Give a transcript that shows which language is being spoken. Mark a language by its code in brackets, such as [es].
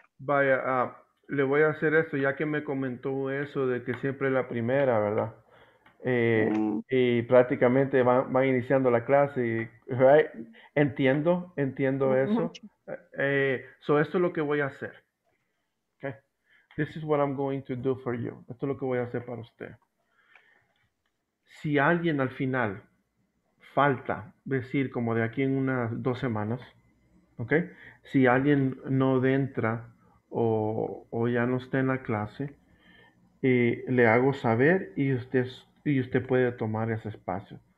[es] Vaya, le voy a hacer esto, ya que me comentó eso de que siempre es la primera, ¿verdad? Y prácticamente van iniciando la clase, right? entiendo eso. So esto es lo que voy a hacer. [en] Okay, this is what I'm going to do for you. [es] Esto es lo que voy a hacer para usted. Si alguien al final falta, decir como de aquí en unas 2 semanas, okay, si alguien no entra o ya no está en la clase, le hago saber y usted puede tomar ese espacio.